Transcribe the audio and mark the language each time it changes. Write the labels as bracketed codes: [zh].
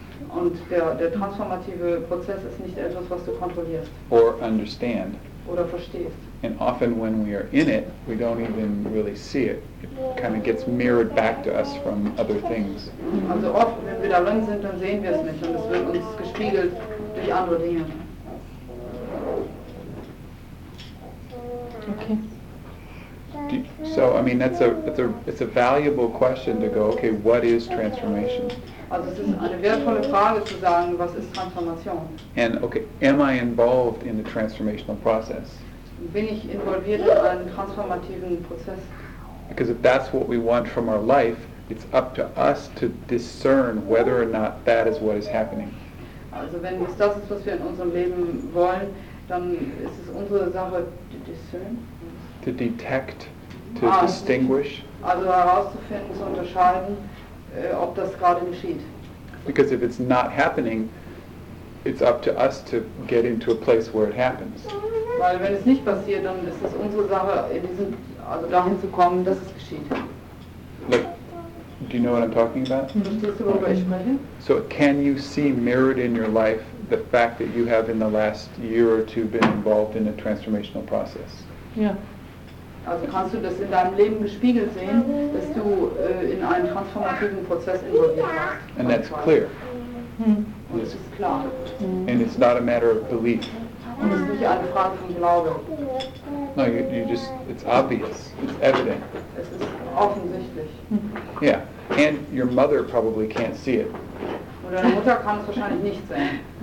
[de] Und der transformative Prozess ist nicht etwas, was du kontrollierst. [en] Or understand. [de] Oder verstehst. [en] And often when we are in it, we don't even really see it. It kind of gets mirrored back to us from other things. [de] Also oft, wenn wir darin sind, dann sehen wir es nicht. Und es wird uns gespiegelt durch andere Dinge. Okay. [en] It's a valuable question to go, okay, what is transformation? [de] Also es ist eine wertvolle Frage zu sagen, was ist Transformation? [en] And okay, am I involved in the transformational process? [de] Bin ich involviert in einen transformativen Prozess? [en] Because if that's what we want from our life, it's up to us to discern whether or not that is what is happening. [de] Also wenn es das ist, was wir in unserem Leben wollen, dann ist es unsere Sache, [en] to discern? To detect, to distinguish. [de] Also herauszufinden, zu unterscheiden, ob das gerade geschieht. [en] Because if it's not happening, it's up to us to get into a place where it happens. [de] Weil wenn es nicht passiert, dann ist es unsere Sache, also dahin zu kommen, dass es geschieht. [en] Like, do you know what I'm talking about? [de] Verstehst du, worüber ich spreche? [en] So can you see mirrored in your life the fact that you have in the last year or two been involved in a transformational process? Yeah. [de] Also kannst du das in deinem Leben gespiegelt sehen, dass du in einen transformativen Prozess involviert warst? [en] And that's clear. [de] Und das ist klar. [en] And it's not a matter of belief. [de] Und es ist nicht eine Frage von Glauben. [en] No, you just, it's obvious, it's evident. [de] Es ist offensichtlich. [en] Yeah, and your mother probably can't see it. [de] Und deine Mutter kann es wahrscheinlich nicht sehen.